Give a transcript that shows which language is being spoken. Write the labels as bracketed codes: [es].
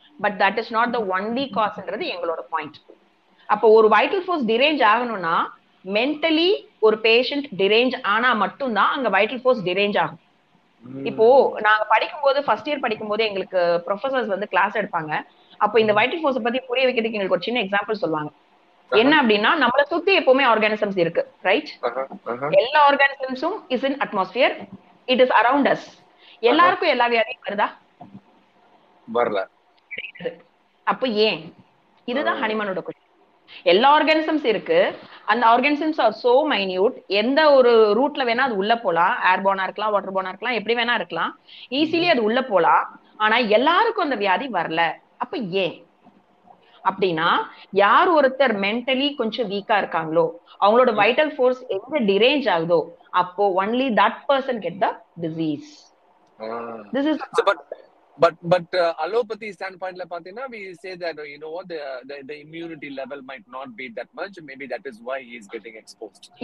[en] But that is not the only cause [ta] endradhu engaloda [en] point. [ta] Appo oru vital force deranged aganumna, mentally ஒரு patient டிரேஞ்ச் ஆனா மட்டும்தான் அங்க vital force டிரேஞ்ச் ஆகும் இப்போ நாங்க படிக்கும் போது ஃபர்ஸ்ட் இயர் படிக்கும் போது எங்களுக்கு ப்ரொஃபசர்ஸ் வந்து கிளாஸ் எடுப்பாங்க அப்போ இந்த வைட்டல் ஃபோர்ஸ் பத்தி புரிய வைக்கிறதுக்கு எங்களுக்கு ஒரு சின்ன எக்ஸாம்பிள் சொல்லுவாங்க என்ன அப்படின்னா நம்மள சுத்தி எப்பவுமே ஆர்கானிசம்ஸ் இருக்கு ரைட் எல்லா ஆர்கானிசம்ஸும் [en] is in atmosphere it is around us [ta] எல்லாருக்கும் எல்லா வியாதியும் வருதா வரல அப்ப ஏன் இதுதான் ஹனிமனோட கொஸ்டின் எல்லா ஆர்கானிசம்ஸ் இருக்கு அந்த ஆர்கானிசம்ஸ் [en] are so minute [ta] எந்த ஒரு ரூட்ல வேணா அது உள்ள போலாம் ஏர்போனா இருக்கலாம் வாட்டர் போனா இருக்கலாம் எப்படி வேணா இருக்கலாம் ஈஸிலி அது உள்ள போலாம் ஆனா எல்லாருக்கும் அந்த வியாதி வரல அப்ப ஏன் அப்படின்னா யார் ஒருத்தர் மென்டலி கொஞ்சம் வீக்கா இருக்காங்களோ அவங்களோட வைட்டல் ஃபோர்ஸ் எங்க டிரேஞ்ச் ஆகுதோ அப்போ [en] Only that person get the disease. This is so, but allopathy standpoint [ta] la pathina [en] we say that you know what the immunity level might not be that much, maybe that is why he is getting exposed.